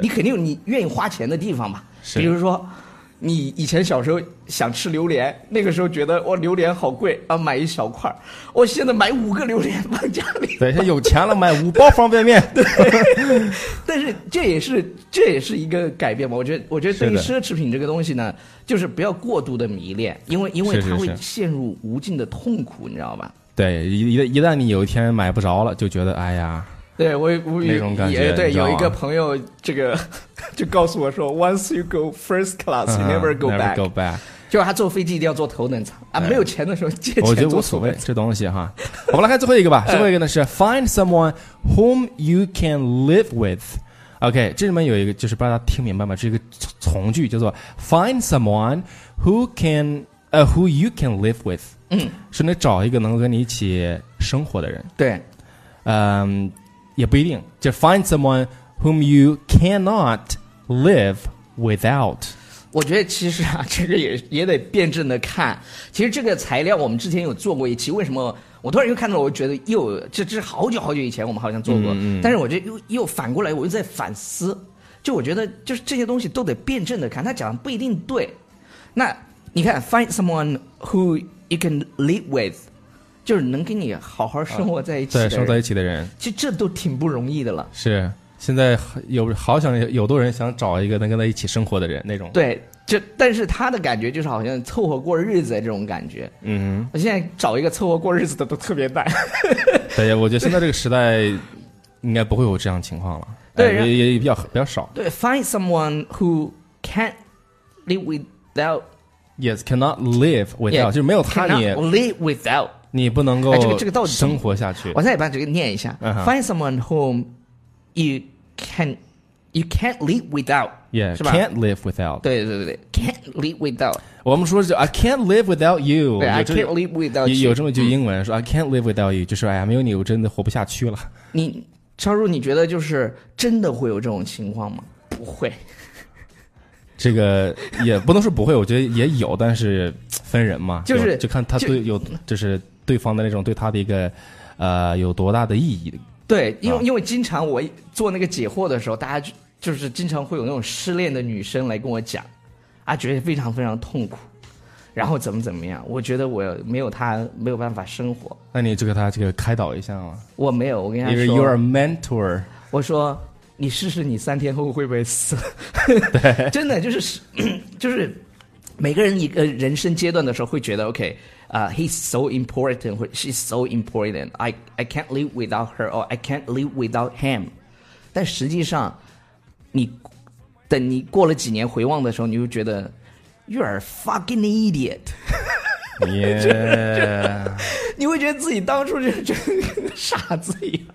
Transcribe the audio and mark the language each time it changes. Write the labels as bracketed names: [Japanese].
[Chinese] 你肯定有你愿意花钱的地方吧？比如说，你以前小时候想吃榴莲，那个时候觉得哇榴莲好贵啊，买一小块，我现在买五个榴莲放家里，等一下有钱了买五包方便面。对，但是这也是一个改变吧。我觉得对于奢侈品这个东西呢，就是不要过度的迷恋，因为它会陷入无尽的痛苦，你知道吧？对，一旦你有一天买不着了，就觉得哎呀。对，我也对，有一个朋友这个就告诉我说 ， [English] once you go first class, you never go back。 Never go back。 [Chinese] 就是他坐飞机一定要坐头等舱啊，没有钱的时候借钱坐头等舱。我觉得无所谓这东西哈。我们来看最后一个吧，最后一个呢是 [English] find someone whom you can live with。 [Chinese] OK， 这里面有一个就是不知道大家听明白吗？是一个从句，叫做 [English] find someone who you can live with。嗯， [Chinese] 是你找一个能跟你一起生活的人。对，也不一定，就 [English] find someone whom you cannot live without。 [Chinese] 我觉得其实啊，这个也得辩证的看。其实这个材料我们之前有做过一期，为什么我突然又看到，我觉得又这是好久好久以前我们好像做过，但是我觉得又反过来，我又在反思，就我觉得就是这些东西都得辩证的看，他讲的不一定对。那你看 [English] find someone who you can live with， [Chinese] 就是能跟你好好生活在一起的人，对，生活在一起的人，其实这都挺不容易的了。是，现在有好想有多人想找一个能跟他一起生活的人那种。对，就但是他的感觉就是好像凑合过日子这种感觉。嗯，我现在找一个凑合过日子的都特别难。对，我觉得现在这个时代应该不会有这样情况了。对，也比较少。 [English] 对 ，find someone who can't live without。 Yes, cannot live without， yeah, [Chinese] 就是没有他你 [English] cannot live without。 [Chinese] 你不能够、哎这个到底生活下去。我再把这个念一下、 [English] find someone whom you can't live without。 Yeah， [Chinese] 是吧 [English] ？Can't live without。 [Chinese] 对对对对 ， [English] can't live without。 [Chinese] 我们说是 [English] I can't live without you。对 ，I can't live without you。 [Chinese] 有这么一句英文说、 [English] I can't live without you， [Chinese] 就是哎呀，没有你我真的活不下去了。你超叔，你觉得就是真的会有这种情况吗？不会。这个也不能说不会，我觉得也有，但是分人嘛，就是就看他对有就是。对方的那种对他的一个，有多大的意义的？对，因为经常我做那个解惑的时候，大家就是经常会有那种失恋的女生来跟我讲，啊，觉得非常非常痛苦，然后怎么样？我觉得我没有他没有办法生活。那你就给他这个开导一下吗？我没有，我跟他说 [English] ，You're a mentor。 [Chinese] 我说你试试，你三天后会不会死？对，真的就是每个人一个人生阶段的时候会觉得 OK。 [English] He's so important, she's so important. I can't live without her, or I can't live without him. [Chinese] 但实际上，等你过了几年回望的时候，你就觉得 [English] you are a fucking idiot. Yeah. [Chinese] 你会觉得自己当初就跟傻子一样。